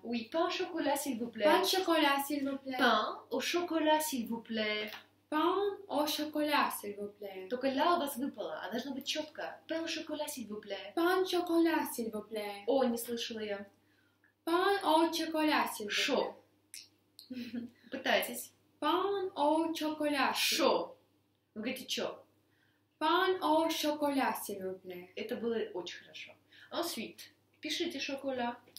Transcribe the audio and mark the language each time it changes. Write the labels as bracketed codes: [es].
[fr] Oui, pain au chocolat, s'il vous plaît. Pain au chocolat, s'il vous plaît. Pain au chocolat, s'il vous plaît. Pain au chocolat, s'il vous plaît. [ru] Только «la» у вас выпало, а должно быть четко. [fr] Pain au chocolat, s'il vous plaît. Pain au chocolat, s'il vous plaît. [ru] О, не слышала я. [fr] Pain au chocolat, s'il vous plaît. [ru] Шо. Пытайтесь. [fr] Pain au chocolat. [ru] Шо. Вы говорите «чо». [fr] Pain au chocolat, s'il vous plaît. [ru] Это было очень хорошо. Ensuite, пишите шоколад.